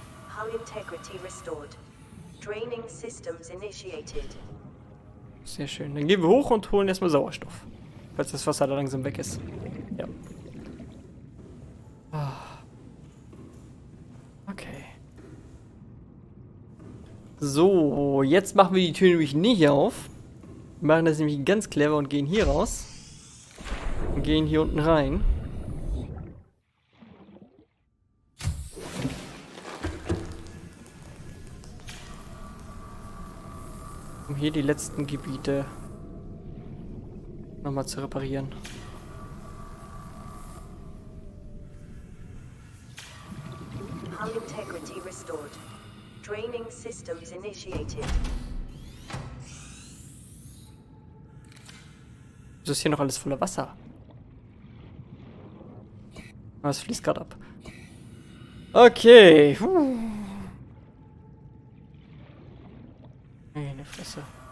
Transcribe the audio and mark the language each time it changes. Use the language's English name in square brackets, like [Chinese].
[English] Hull integrity restored. Draining systems initiated. [German] Sehr schön. Dann gehen wir hoch und holen erstmal Sauerstoff. Falls das Wasser da langsam weg ist. Ja. Okay. So, jetzt machen wir die Tür nämlich nicht auf. Wir machen das nämlich ganz clever und gehen hier raus. Und gehen hier unten rein. um hier die letzten Gebiete nochmal zu reparieren. [English] High integrity restored. Training systems initiated. [German] Das ist hier noch alles voller Wasser. Es fließt gerade ab. Okay. Hey, eine Fresse.